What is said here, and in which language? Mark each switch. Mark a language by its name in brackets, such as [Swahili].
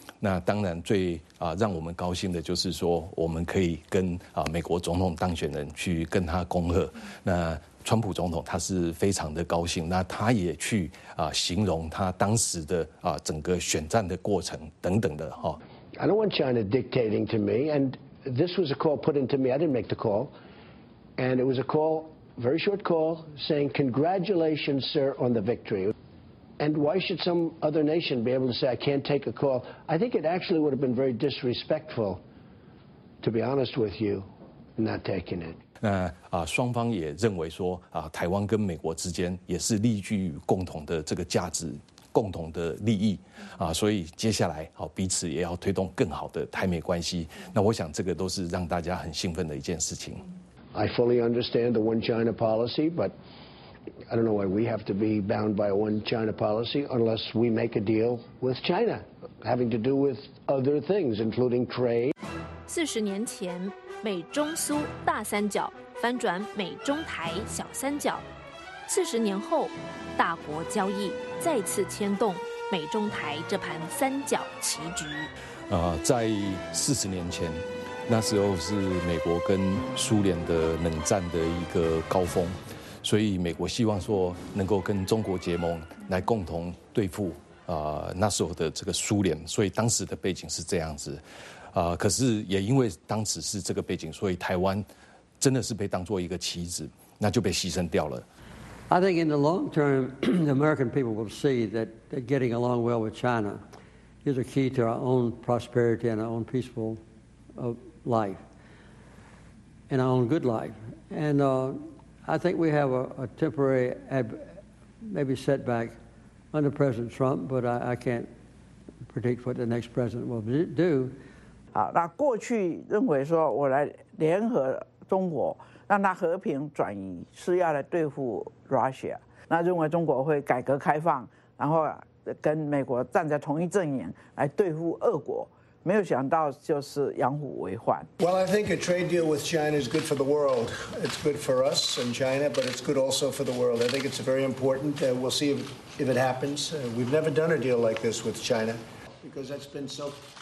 [Chinese] 那当然最让我们高兴的就是说，我们可以跟美国总统当选人去跟他恭贺。那川普总统他是非常的高兴，那他也去形容他当时的整个选战的过程等等的。 [English] I don't want China dictating to me, and this was a call put into me. I didn't make the call, and it was a call, very short call, saying congratulations, sir, on the victory. And why should some other nation be able to say, I can't take a call? I think it actually would have been very disrespectful, to be honest with you, not taking it. [Chinese] 那双方也认为说台湾跟美国之间也是立据于共同的这个价值，共同的利益所以接下来彼此也要推动更好的台美关系。那我想这个都是让大家很兴奋的一件事情。 [English] I fully understand the one China policy, but I don't know why we have to be bound by a one China policy unless we make a deal with China, having to do with other things, including trade. [Chinese] 四十年前，美中苏大三角翻转美中台小三角。四十年后，大国交易再次牵动美中台这盘三角棋局。在四十年前，那时候是美国跟苏联的冷战的一个高峰，所以美国希望说能够跟中国结盟来共同对付那时候的这个苏联，所以当时的背景是这样子。可是也因为当时是这个背景，所以台湾真的是被当作一个棋子，那就被牺牲掉了。 [English] I think in the long term, the American people will see that getting along well with China is a key to our own prosperity and our own peaceful life and our own good life. And I think we have a temporary maybe setback under President Trump, but I can't predict what the next president will do. [Chinese] 好，那过去认为说我来联合中国让它和平转移是要来对付 Russia， 那认为中国会改革开放然后跟美国站在同一阵营来对付俄国，没有想到就是养虎为患。 [English] Well, I think a trade deal with China is good for the world. It's good for us and China, but it's good also for the world. I think it's very important. We'll see if it happens. We've never done a deal like this with China because that's been so